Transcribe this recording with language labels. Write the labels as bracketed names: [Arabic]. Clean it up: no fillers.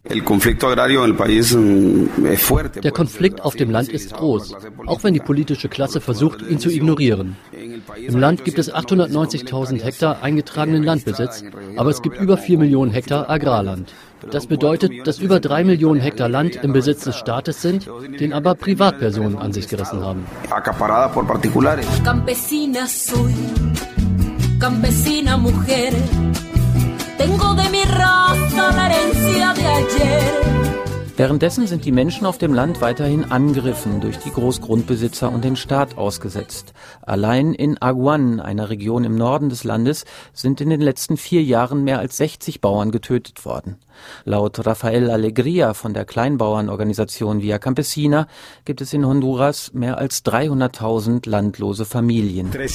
[German] Der Konflikt auf dem Land ist groß, auch wenn die politische Klasse versucht, ihn zu ignorieren. Im Land gibt es 890.000 Hektar eingetragenen Landbesitz, aber es gibt über 4 Millionen Hektar Agrarland. Das bedeutet, dass über 3 Millionen Hektar Land im Besitz des Staates sind, den aber Privatpersonen an sich gerissen haben. [Spanish] Campesina mujer, tengo de mi raza la herencia de ayer. [German] Währenddessen sind die Menschen auf dem Land weiterhin angegriffen durch die Großgrundbesitzer und den Staat ausgesetzt. Allein in Aguan, einer Region im Norden des Landes, sind in den letzten 4 Jahren mehr als 60 Bauern getötet worden. Laut Rafael Alegria von der Kleinbauernorganisation Via Campesina gibt es in Honduras mehr als 300.000 landlose Familien.